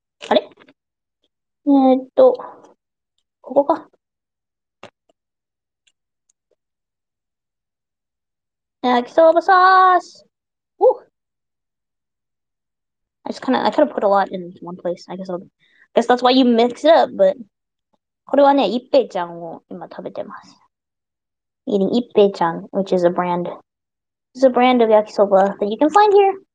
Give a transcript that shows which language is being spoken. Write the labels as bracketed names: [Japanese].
[Japanese] Are? ここか. [English] Yakisoba sauce. Ooh. I kind of put a lot in one place. I guess that's why you mix it up. But [Japanese] これはね、一平ちゃんを今食べてます. [English] Eating 一平ちゃん, which is a brand. It's a brand of yakisoba that you can find here.